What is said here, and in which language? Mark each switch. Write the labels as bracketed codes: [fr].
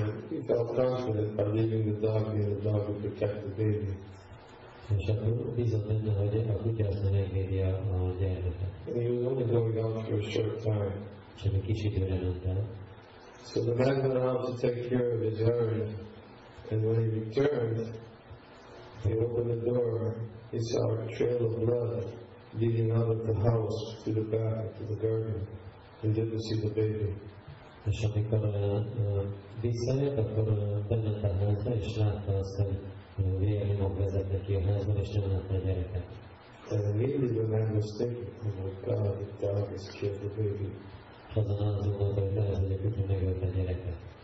[en] He felt confident by leaving the dog here, the dog would protect the baby. [hu] És akkor bízott benne, hogy a kutya azt megvédi a gyermeket. [en] He was only going out for a short time. [hu] És egy kis időre ment el. [en] So the man went out to take care of his herd, and when he returned, he opened the door, he saw a trail of blood leading out of the house to the back, to the garden, and didn't see the baby. [hu] És amikor visszajött, akkor bement a házba, és látta azt, hogy vérnyomok vezetne ki a házban, és nem látta a gyereket. [en] And immediately the man was thinking, oh my God, the dog has killed the baby. [hu] Azon az volt, hogy lehet, hogy a kutya megölte a gyereket.